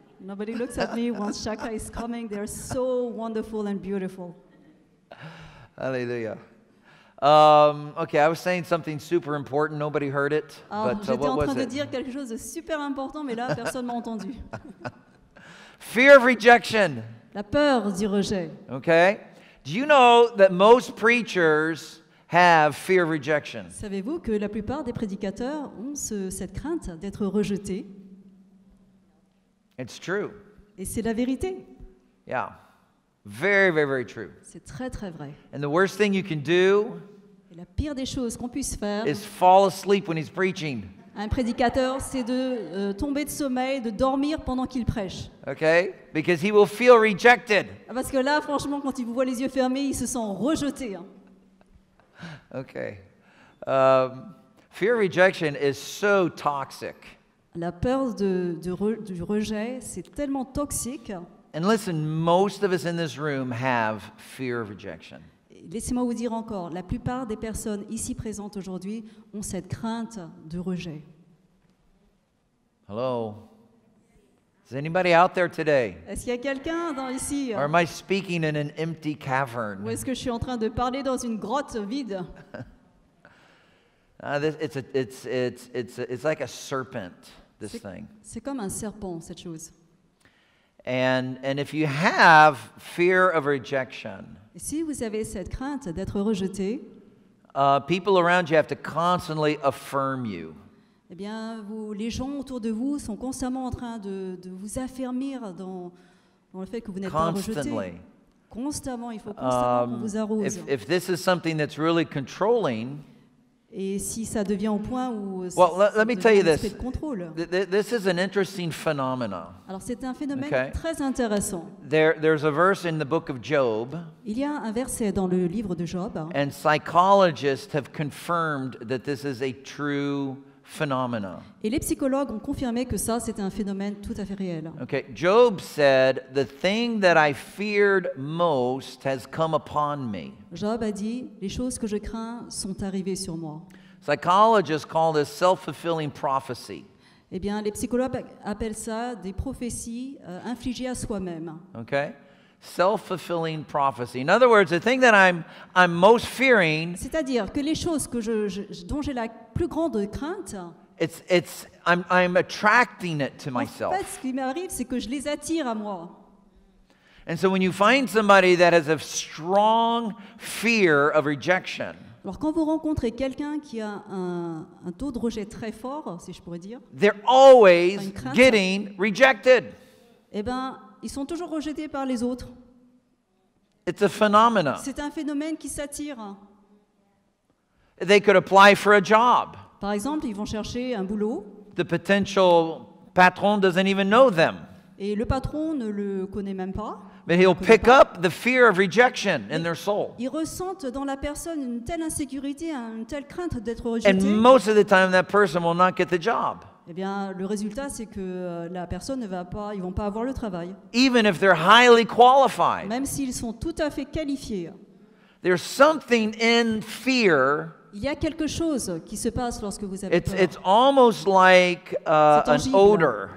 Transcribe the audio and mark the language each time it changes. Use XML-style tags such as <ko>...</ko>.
<en>Nobody looks at me once Chaka is coming. They're so wonderful and beautiful. Alléluia. Okay, I was saying something super important. Nobody heard it.</en> <fr>Alors,</fr> <en>but,</en> <fr>j'étais</fr> <en>what</en> <fr>en train</fr> <en>was</en> <fr>de</fr> <en>it?</en> <fr>Dire quelque chose de super important, mais là, personne ne m'a entendu.</fr> <en>Fear of rejection.</en> <fr>La peur du rejet.</fr> <en>Okay. Do you know that most preachers have fear of rejection?</en> <fr>Savez-vous que la plupart des prédicateurs ont cette crainte d'être rejetés?</fr> <en>It's true.</en> <fr>Et c'est la vérité.</fr> <en>Yeah. Very, very, very true.</en> <fr>C'est très, très vrai.</fr> <en>And the worst thing you can do</en> <fr>Et la pire des choses qu'on puisse faire</fr> <en>is fall asleep when he's preaching.</en> <fr>Un prédicateur, c'est de tomber de sommeil, de dormir pendant qu'il prêche.</fr> <en>Okay, because he will feel rejected.</en> <fr>Parce que là, franchement, quand il vous voit les yeux fermés, il se sent rejeté.</fr> <en>Okay. Fear of rejection is so toxic.</en> <fr>La peur du rejet, c'est tellement toxique.</fr> <en>And listen, most of us in this room have fear of rejection.</en> <fr>Laissez-moi vous dire encore, la plupart des personnes ici présentes aujourd'hui ont cette crainte de rejet.</fr> <en>Hello. Is anybody out there today?</en> <fr>Est-ce qu'il y a quelqu'un ici?</fr> <en>Or am I speaking in an empty cavern?</en> <fr>Ou est-ce que je suis en train de parler dans une grotte vide?</fr> <en>it's like a serpent, this thing.</en> <fr>C'est comme un serpent, cette chose.</fr> <en>And if you have fear of rejection,</en> <fr>si vous avez cette crainte d'être rejeté,</fr> <en>people around you have to constantly affirm you.</en> <fr>Eh bien, les gens autour de vous sont constamment en train de vous affirmer dans le fait que vous n'êtes</fr> <en>constantly.</en> <fr>Pas rejeté. Constamment, il faut constamment qu'on vous arrose.</fr> <en>If this is something that's really controlling,</en> <fr>Et si ça devient au point où</fr> <en>let me tell you this. This is an interesting phenomenon.</en> <fr>Alors c'est un phénomène très intéressant.</fr> <en>There's a verse in the book of Job.</en> <fr>Il y a un verset dans le livre de Job.</fr> <en>And psychologists have confirmed that this is a true phenomenon.</en> <fr>Et les psychologues ont confirmé que ça c'est un phénomène tout à fait réel.</fr> <en>Okay, Job said, "The thing that I feared most has come upon me."</en> <fr>Job a dit, les choses que je crains sont arrivées sur moi.</fr> <en>Psychologists call this self-fulfilling prophecy.</en> <fr>Eh bien, les psychologues appellent ça des prophéties infligées à soi-même.</fr> <en>Okay. Self-fulfilling prophecy. In other words, the thing that I'm most fearing.</en> <fr>C'est-à-dire que les choses que dont j'ai la plus grande crainte.</fr> <en>I'm attracting it to myself.</en> <fr>En fait, ce qui m'arrive, c'est que je les attire à moi.</fr> <en>And so, when you find somebody that has a strong fear of rejection.</en> <fr>Alors, quand vous rencontrez quelqu'un qui a un taux de rejet très fort, si je pourrais dire.</fr> <en>They're always getting rejected.</en> <fr>Eh ben. Ils sont toujours rejetés par les autres.</fr> <en>It's a phenomenon.</en> <fr>C'est un phénomène qui s'attire.</fr> <en>They could apply for a job.</en> <fr>Par exemple, ils vont chercher un boulot.</fr> <en>The potential patron doesn't even know them.</en> <fr>Et le patron ne le connaît même pas.</fr> <en>But he'll pick up the fear of rejection in their soul.</en> <fr>Ils ressentent dans la personne une telle insécurité, une telle crainte d'être rejeté.</fr> <en>And most of the time, that person will not get the job.</en> <fr>Eh bien, le résultat, c'est que la personne ne va pas, ils ne vont pas avoir le travail.</fr> <en>Even if they're highly qualified.</en> <fr>Même s'ils sont tout à fait qualifiés.</fr> <en>There's something in fear.</en> <fr>Il y a quelque chose qui se passe lorsque vous avez peur.</fr> <en>It's almost like an odor.</en>